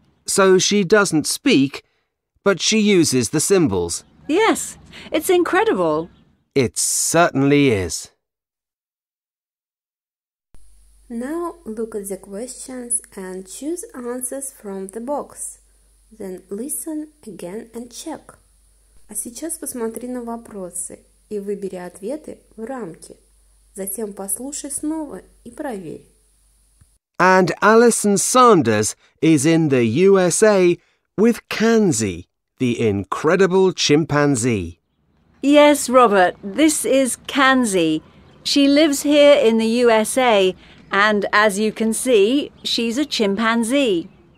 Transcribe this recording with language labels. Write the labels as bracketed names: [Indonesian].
[English] So she doesn't speak, but she uses the symbols. Yes, it's incredible. It certainly is. Now look at the questions and choose answers from the box. Then listen again and check. [Russian] А сейчас посмотри на вопросы и выбери ответы в рамки. Затем послушай снова и проверь. [English] And Alison Saunders is in the USA with Kanzi, the incredible chimpanzee. Yes, Robert, this is Kanzi. She lives here in the USA and, as you can see, she's a chimpanzee.